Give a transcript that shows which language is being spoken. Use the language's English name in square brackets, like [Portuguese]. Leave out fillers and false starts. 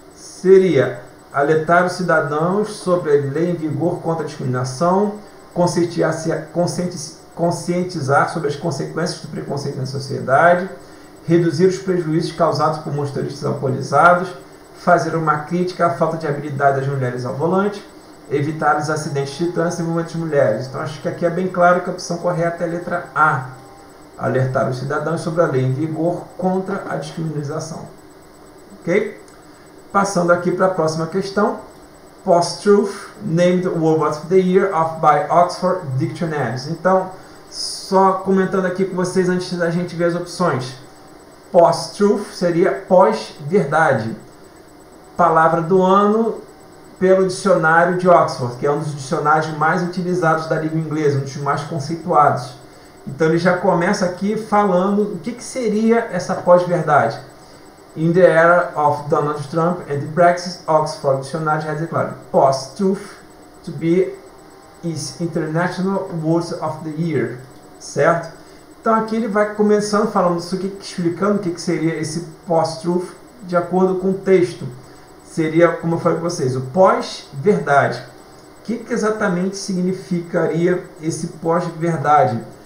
[Portuguese] Seria alertar os cidadãos sobre a lei em vigor contra a discriminação, conscientizar sobre as consequências do preconceito na sociedade, reduzir os prejuízos causados por motoristas alcoolizados, fazer uma crítica à falta de habilidade das mulheres ao volante, evitar os acidentes de trânsito envolvendo mulheres. Então, acho que aqui é bem claro que a opção correta é a letra A. Alertar os cidadãos sobre a lei em vigor contra a discriminação. Ok? Passando aqui para a próxima questão. [English] Post-truth, named Word of the Year by Oxford Dictionaries. [Portuguese] Então, só comentando aqui com vocês antes da gente ver as opções. Post-truth seria pós-verdade. Palavra do ano pelo dicionário de Oxford, que é um dos dicionários mais utilizados da língua inglesa, um dos mais conceituados. Então ele já começa aqui falando o que seria essa pós-verdade. [English] In the era of Donald Trump and the Brexit, Oxford Dictionary has declared post-truth to be is International Words of the Year, certo? [Portuguese] Então aqui ele vai começando falando isso aqui, explicando o que seria esse post-truth de acordo com o texto. Seria, como eu falei para vocês, o pós-verdade. O que exatamente significaria esse pós-verdade?